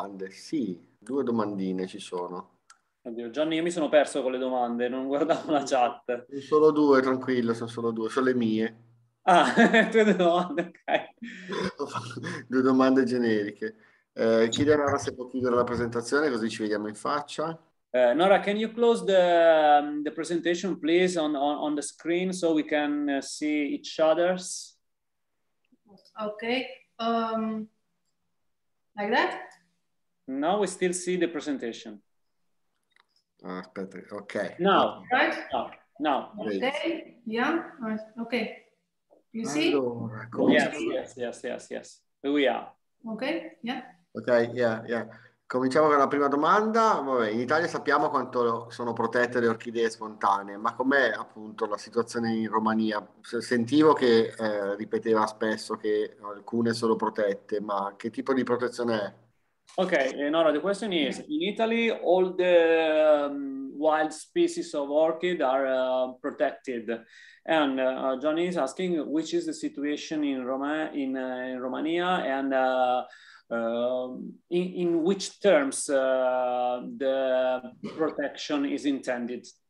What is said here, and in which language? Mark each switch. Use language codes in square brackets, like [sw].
[it] Sì, due domandine ci sono. Oddio, Gianni, io mi sono perso con le domande, non guardavo la chat. Solo due, tranquillo, sono solo due, sono le mie. Ah, due domande, ok. Due domande generiche. Chiede a Nora se può chiudere la presentazione così ci vediamo in faccia. [en] Nora, can you close the presentation, please, on the screen so we can see each other's? Okay. Like that? No, we still see the presentation. [it] Aspetta, okay. [en] Now, right? No. Okay, yeah, okay. You see? Allora, yes. We are. Okay, yeah. [it] Okay, yeah. Cominciamo con la prima domanda. Vabbè, in Italia sappiamo quanto sono protette le orchidee spontanee, ma com'è appunto la situazione in Romania? Sentivo che ripeteva spesso che alcune sono protette, ma che tipo di protezione è? [en] Okay, Nora, the question is, in Italy all the wild species of orchid are protected. And Johnny is asking which is the situation in Romania and in which terms the protection is intended.